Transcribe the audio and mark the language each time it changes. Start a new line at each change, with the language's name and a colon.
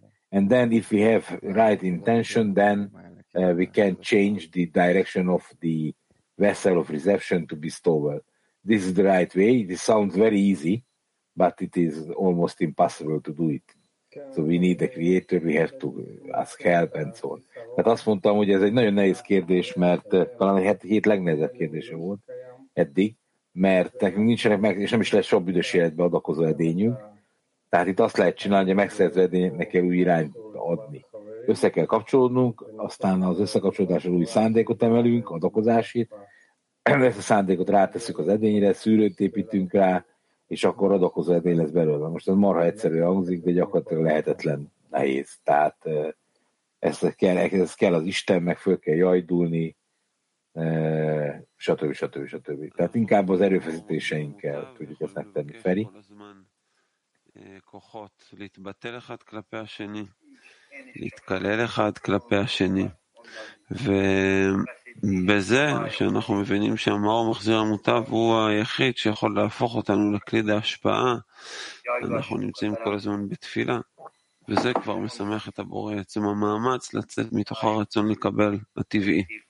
English: And then if we have right intention, then we can change the direction of the vessel of reception to bestowal. This is the right way. This sounds very easy, but it is almost impossible to do it. So we need the Creator. We have to ask help and so on.
Hungarian: Hát azt mondtam, hogy ez egy nagyon nehéz kérdés, mert talán egy hét legnehezebb kérdése volt. Eddig, mert nekünk nincsenek meg, és nem is lesz sok büdös életbe adakozó edényünk. Tehát itt azt lehet csinálni, hogy a megszerző edényeknek kell új irányt adni. Össze kell kapcsolódnunk, aztán az összekapcsolódással új szándékot emelünk, adakozásit, ezt a szándékot ráteszünk az edényre, szűrőt építünk rá, és akkor adakozó edény lesz belőle. Most ez marha egyszerű hangzik, de gyakorlatilag lehetetlen. nehéz. Tehát ez kell az Istennek, föl kell jajdulni, stb. Stb. Stb. Tehát inkább az erőfeszítéseinkkel tudjuk ezt megtenni, Feri.
Hebrew: כוחות להתבטל אחד כלפי השני, להתקלל אחד כלפי השני, ובזה שאנחנו מבינים שהמאור מחזיר המוטב הוא היחיד שיכול להפוך אותנו לכליד ההשפעה, אנחנו נמצאים כל הזמן בתפילה, וזה כבר משמח את הבורא, עצם המאמץ לצאת מתוך הרצון לקבל הטבעי.